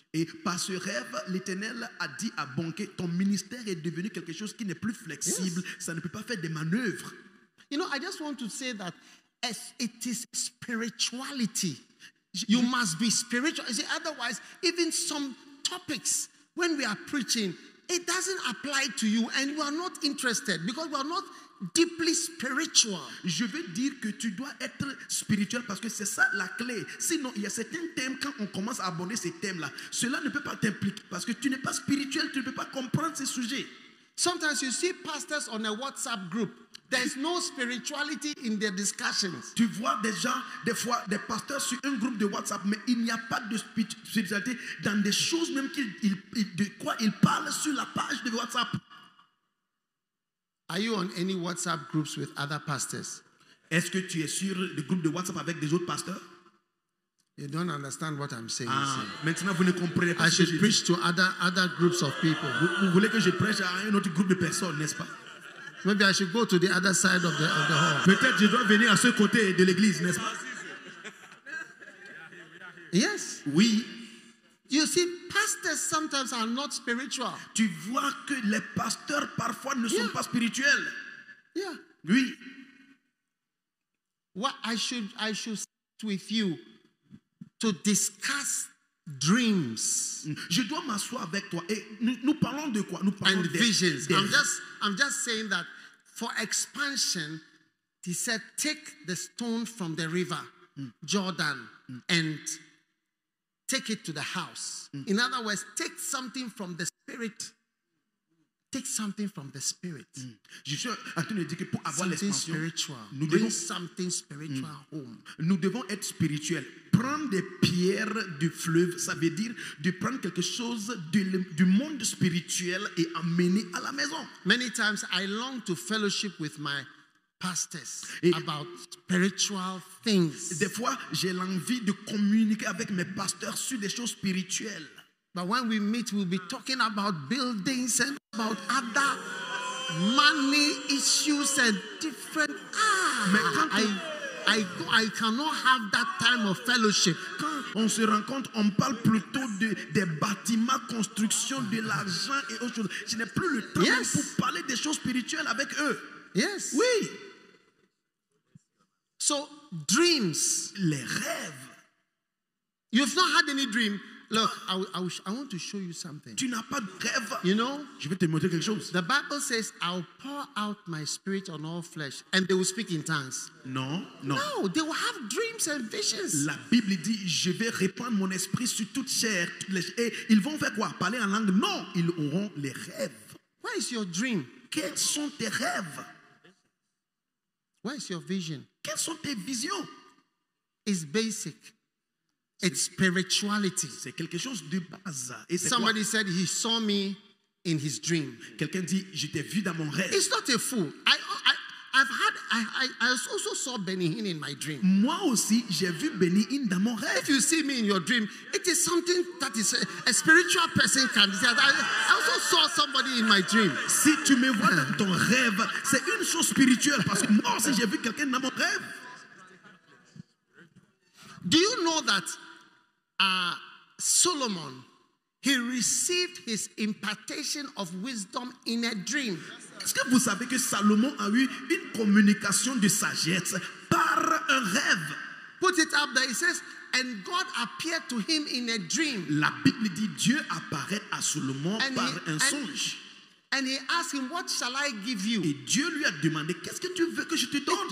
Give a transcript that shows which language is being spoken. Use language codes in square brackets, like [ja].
[fr] Et par ce rêve, l'Éternel a dit à Bonke, ton ministère est devenu quelque chose qui n'est plus flexible. Yes. Ça ne peut pas faire des manœuvres. [en] You know, I just want to say that as it is spirituality, you must be spiritual. You see, otherwise, even some topics, when we are preaching, it doesn't apply to you and you are not interested because we are not deeply spiritual. [fr] Je veux dire que tu dois être spirituel parce que c'est ça la clé. Sinon, il y a certains thèmes, quand on commence à aborder ces thèmes-là, cela ne peut pas t'impliquer parce que tu n'es pas spirituel, tu ne peux pas comprendre ces sujets. [en] Sometimes you see pastors on a WhatsApp group. There's no spirituality in their discussions. [fr] Tu vois des gens, des fois, des pasteurs sur un groupe de WhatsApp, mais il n'y a pas de spiritualité dans des choses même de quoi ils parlent sur la page de WhatsApp. [en] Are you on any WhatsApp groups with other pastors? [fr] Est-ce que tu es sur le groupe de WhatsApp avec des autres pasteurs? [en] You don't understand what I'm saying. [fr] Ah, maintenant vous ne comprenez pas. [en] I should preach to other groups of people. [fr] Vous voulez que je prêche à un autre groupe de personnes, n'est-ce pas? [en] Maybe I should go to the other side of the hall. [fr] Peut-être je dois venir à ce côté de l'église, n'est-ce pas? [en] Yes. [fr] Oui. [en] You see, pastors sometimes are not spiritual. [fr] Tu vois que les pasteurs parfois ne sont pas spirituels. [en] Yeah. [fr] Oui. [en] What I should sit with you to discuss dreams. [fr] Je dois m'asseoir avec toi et nous parlons de quoi? Nous parlons [en] and visions. I'm just saying that for expansion, he said, take the stone from the river Jordan and take it to the house. In other words, take something from the spirit. Take something from the spirit. [fr] Je suis en train de dire que pour avoir [en] something [fr] l'expansion, nous [en] bring [fr] devons, [en] something spiritual home. [fr] Nous devons être spirituels. Prendre des pierres du fleuve, ça veut dire de prendre quelque chose du monde spirituel et amener à la maison. [en] Many times I long to fellowship with my pastors et about spiritual things. [fr] Des fois, j'ai l'envie de communiquer avec mes pasteurs sur des choses spirituelles. [en] But when we meet, we'll be talking about buildings and about other money issues and different. I cannot have that time of fellowship. [fr] Quand on se rencontre, on parle plutôt des bâtiments, construction, de l'argent et autres choses. Je n'ai plus le temps pour parler des choses spirituelles avec eux. [en] Yes. [fr] Oui. [en] So, dreams. [fr] Les rêves. [en] You've not had any dream. Look, I want to show you something. [fr] Tu n'as pas de rêve. [en] You know, [fr] je vais te montrer quelque chose. [en] The Bible says, I'll pour out my spirit on all flesh, and they will speak in tongues. [fr] Non, non. [en] No, they will have dreams and visions. [fr] La Bible dit, je vais répandre mon esprit sur toute chair. Et ils vont faire quoi? Parler en langue? Non, ils auront les rêves. [en] Where is your dream? [fr] Quels sont tes rêves? [en] Where is your vision? [fr] Quelles sont tes visions? [en] It's basic. It's spirituality. [fr] C'est quelque chose de base. Et [en] somebody [fr] quoi? [en] Said he saw me in his dream. [fr] Quelqu'un dit, je t'ai vu dans mon rêve. [en] It's not a fool. I also saw Benny Hinn in my dream. [fr] Moi aussi, j'ai vu Benny Hinn dans mon rêve. [en] If you see me in your dream, it is something that is a spiritual person can see. I also saw somebody in my dream. [fr] Si tu me vois dans ton rêve, c'est une chose spirituelle parce que moi aussi j'ai vu quelqu'un dans mon rêve. [en] Do you know that Solomon, he received his impartation of wisdom in a dream? [fr] Est-ce que vous savez que Salomon a eu une communication de sagesse par un rêve? [en] Put it up there. He says, And God appeared to him in a dream. [fr] La Bible dit Dieu apparaît à Salomon par un songe. [en] And he asked him, "What shall I give you?" [fr] Et Dieu lui a demandé, qu'est-ce que tu veux que je te donne?